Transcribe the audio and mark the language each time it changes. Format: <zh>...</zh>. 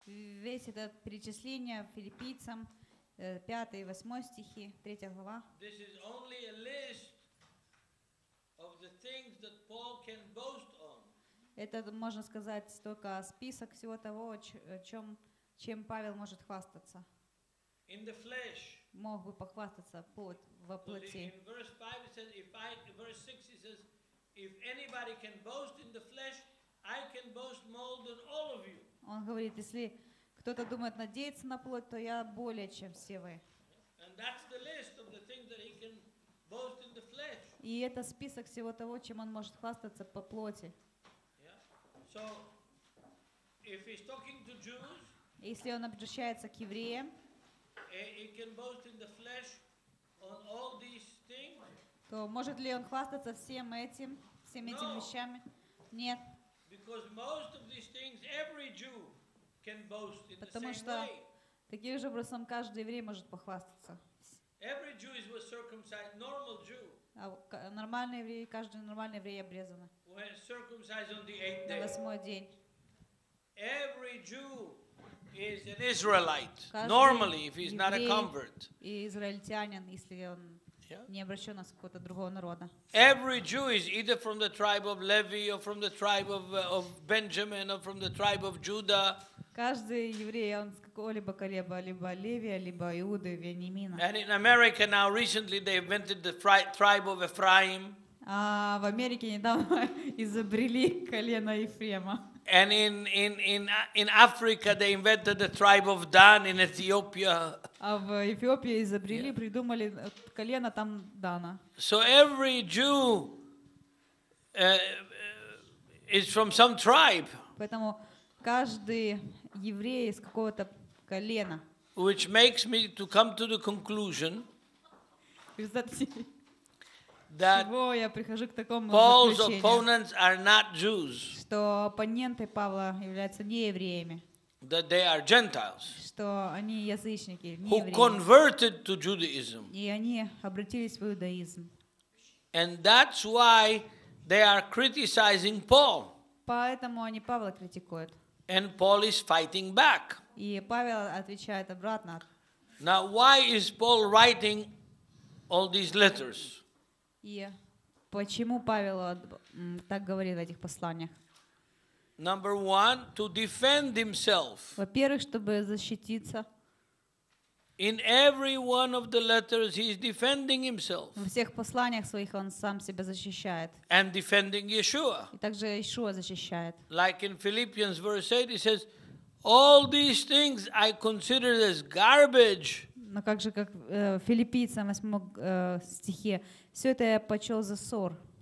<ru>весь это перечисление филиппийцам, 5 и 8 стихи, 3 глава.</ru> <en>This is only a list of the things that Paul can boast on.</en> <ru>Это, можно сказать, только список всего того, чем Павел может хвастаться.</ru> <en>In the flesh.</en> <ru>Мог бы похвастаться во плоти.</ru> <en>In verse 5 it says, verse 6 it says, if anybody can boast in the flesh, I can boast more than all of you.</en> <ru>Он говорит, если кто-то думает надеяться на плоть, то я более, чем все вы.</ru> <en>And that's the list of the things that he can boast in the flesh.</en> <ru>И это список всего того, чем он может хвастаться по плоти.</ru> <en>So, if he's talking to Jews,</en> <ru>если он обращается к евреям,</ru> <en>he can boast in the flesh on all these things,</en> <ru>то может ли он хвастаться всем этим</ru> <en>no.</en> <ru>вещами? Нет.</ru> <en>Because most of these things every Jew can boast in</en> <ru>Потому</ru> <en>the same way.</en> <ru>Таким же образом каждый еврей может похвастаться.</ru> <en>Every Jew is a circumcised normal Jew.</en> <ru>А нормальный еврей, каждый нормальный еврей обрезан.</ru> <en>When circumcised on the eighth day.</en> <ru>На восьмой день.</ru> <en>Every Jew is an Israelite. Normally, if he's not a convert.</en> <ru>И израильтянин, если он не обращен из какого-то другого народа.</ru> <en>Every Jew is either from the tribe of Levi or from the tribe of Benjamin or from the tribe of Judah.</en> <ru>Каждый еврей, он с какого-либо колеба, либо Левия, либо Иуды, Вениамина.</ru> <en>And in America now recently they invented the tribe of Ephraim.</en> <ru>А в Америке недавно изобрели колено Ефрема.</ru> <en>And in Africa they invented the tribe of Dan in Ethiopia.</en> <ru>А в Эфиопии изобрели, придумали колено там Дана.</ru> <en>So every Jew is from some tribe.</en> <ru>Поэтому каждый еврей из какого-то колена.</ru> <en>Which makes me to come to the conclusion. That Paul's opponents are not Jews.</en> <ru>Что оппоненты Павла являются не евреями.</ru> <en>That they are Gentiles.</en> <ru>Что они язычники, не евреи.</ru> <en>Who converted to Judaism.</en> <ru>И они обратились в иудаизм.</ru> <en>And that's why they are criticizing Paul.</en> <ru>Поэтому они Павла критикуют.</ru> <en>And Paul is fighting back.</en> <ru>И Павел отвечает обратно.</ru> <en>Now why is Paul writing all these letters?</en> <ru>И почему Павел так говорит в этих посланиях?</ru> <en>Number one, to defend himself.</en> <ru>Во-первых, чтобы защититься.</ru> <en>In every one of the letters he is defending himself.</en> <ru>Во всех посланиях своих он сам себя защищает.</ru> <en>And defending Yeshua.</en> <ru>И также Иешуа защищает.</ru> <en>Like in Philippians verse 8 he says, all these things I consider as garbage.</en> <ru>Но как же как филиппийцам 8 стихе все это я почел за ссор.</ru>